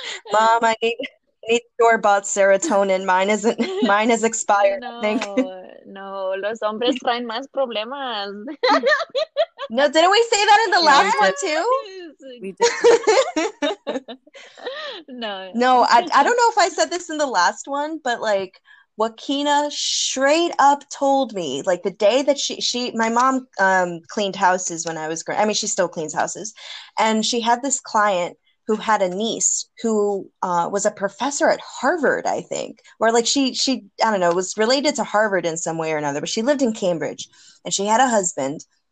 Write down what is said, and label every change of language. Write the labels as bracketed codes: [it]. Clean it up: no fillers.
[en] Mom, I need your bought serotonin. Mine is expired. No, I think. [es] No, los hombres traen más problemas. [en] No, didn't we say that in the last one too? We did. No. I don't know if I said this in the last one, but like, Joaquina straight up told me, like, the day that she my mom cleaned houses when I was growing. I mean, she still cleans houses, and she had this client who had a niece who was a professor at Harvard, I think, or like she, I don't know, was related to Harvard in some way or another, but she lived in Cambridge and she had a husband.